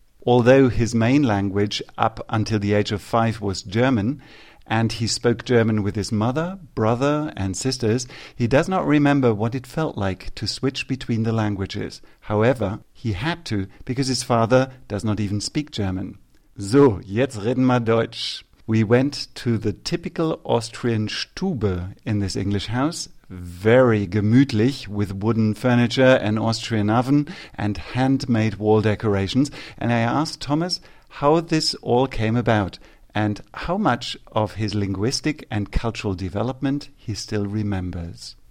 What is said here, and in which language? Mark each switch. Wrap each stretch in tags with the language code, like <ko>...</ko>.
<en>Although his main language up until the age of 5 was German, and he spoke German with his mother, brother, and sisters, he does not remember what it felt like to switch between the languages. However, he had to, because his father does not even speak German.</en> <de>So, jetzt reden wir Deutsch.</de> <en>We went to the typical Austrian Stube in this English house, very gemütlich, with wooden furniture, an Austrian oven, and handmade wall decorations. And I asked Thomas how this all came about, and how much of his linguistic and cultural development he still remembers.</en>